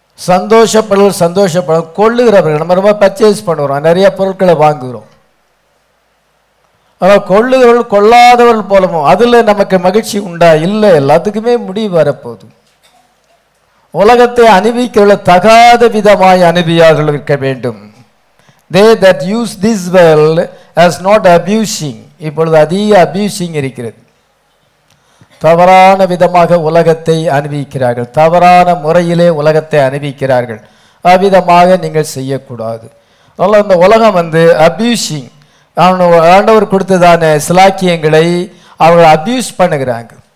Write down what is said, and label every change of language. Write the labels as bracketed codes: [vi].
[ta] சந்தோஷப்படுறவர்கள் சந்தோஷப்பட, கொள்ளுகிறவர்கள் நம்ம ரொம்ப பர்ச்சேஸ் பண்ணுறோம், நிறைய பொருட்களை வாங்குகிறோம். ஆனால் கொள்ளுகிறவர்கள் கொள்ளாதவர்கள் போலவும், அதில் நமக்கு மகிழ்ச்சி உண்டா இல்லை, எல்லாத்துக்குமே முடிவு வரப்போகுது. உலகத்தை அணிவிக்கிறவர்கள் தகாத விதமாய் அணிவியார்கள் இருக்க வேண்டும். [en] They that use this world as not abusing. [ta] இப்பொழுது அதிக அபியூசிங் இருக்கிறது. தவறான விதமாக உலகத்தை அணிவிக்கிறார்கள், தவறான முறையிலே உலகத்தை அணிவிக்கிறார்கள். அவ்விதமாக நீங்கள் செய்யக்கூடாது. அதனால் இந்த உலகம் வந்து அபியூசிங். ஆண்டவர் கொடுத்ததான சிலாக்கியங்களை அவர்கள் அபியூஸ் பண்ணுகிறாங்க.